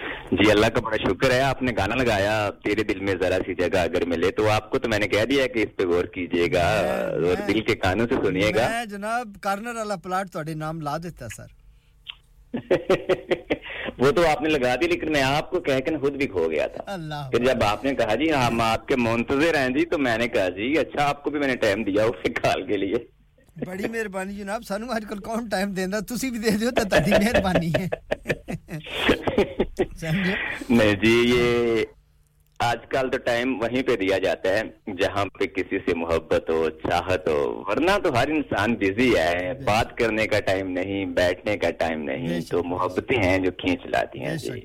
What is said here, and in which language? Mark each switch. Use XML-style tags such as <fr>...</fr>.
<ur>جی اللہ کا بڑا شکر ہے آپ نے گانا لگایا تیرے دل میں ذرا سی جگہ اگر ملے تو آپ کو تو میں نے کہہ دیا کہ اس پہ غور کیجئے گا اور دل کے کانوں سے سنیے گا</ur> <pa>جناب کارنر والا پلاٹ تہاڈے نام لا دیتا سر</pa> <ur>وہ تو آپ نے لگا دی لیکن میں آپ کو کہہ کے خود بھی کھو گیا تھا پھر جب آپ نے کہا جی ہم آپ کے منتظر ہیں جی تو میں نے کہا جی اچھا آپ کو بھی میں نے ٹائم دیا اس کال کے لیے</ur> <pa>بڑی مہربانی جناب سانو اج کل کون ٹائم دینا تسی بھی دے دیو تے تادی مہربانی ہے</pa> <ur>نہیں جی یہ آج کل تو ٹائم وہیں پہ دیا جاتا ہے جہاں پہ کسی سے محبت ہو چاہت ہو ورنہ تو ہر انسان بزی ہے بات کرنے کا ٹائم نہیں بیٹھنے کا ٹائم نہیں تو محبتیں ہیں جو کھینچ لاتی ہیں جی</ur>